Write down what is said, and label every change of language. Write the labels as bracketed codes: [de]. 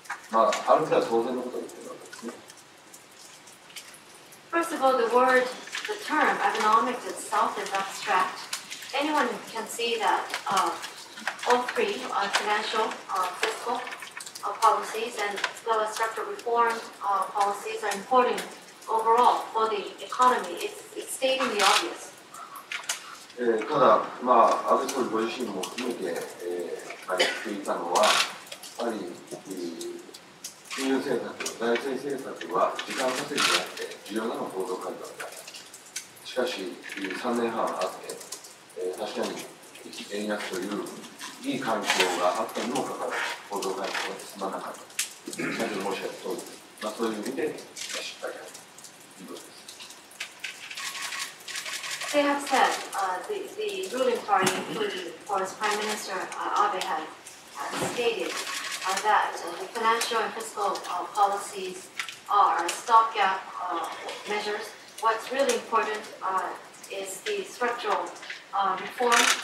[ja] まあ、ある程度は当然のことを言っているわけですね。 [en] First of all, the word, the term, economics itself is abstract. Anyone can see that all three financial, fiscal policies and as well as structural reform policies are important overall for the economy. It's stating the obvious. [ja] ただ、まあ、安倍総理ご自身も含めて、言っていたのは、やはり、金融政策、財政政策は時間稼ぎであって、重要なのは構造改革だ。しかし、3年半あって、確かに円安といういい環境があったにもかかわらず、構造改革は進まなかった。先ほど申し上げた通り、まあ、そういう意味で失敗だということです。 [en] They have said the ruling party, including of course Prime Minister Abe, has stated that the financial and fiscal policies are stopgap measures. What's really important is the structural reform.